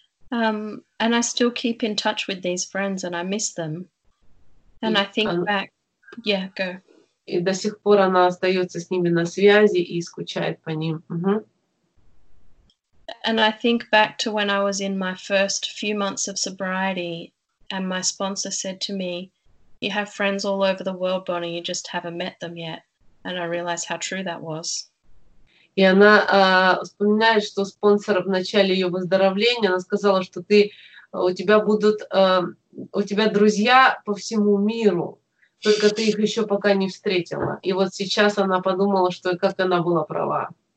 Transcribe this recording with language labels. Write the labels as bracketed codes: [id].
[en] And I still keep in touch with these friends and I miss them. And I think back, yeah, go. [ru] И до сих пор она остается с ними на связи и скучает по ним. [en] And I think back to when I was in my first few months of sobriety and my sponsor said to me, you have friends all over the world, Bonnie, you just haven't met them yet. And I realized how true that was. [ru] И она вспоминает, что спонсор в начале ее выздоровления, она сказала, что у тебя друзья по всему миру, только ты их еще пока не встретила. И вот сейчас она подумала, что как она была права.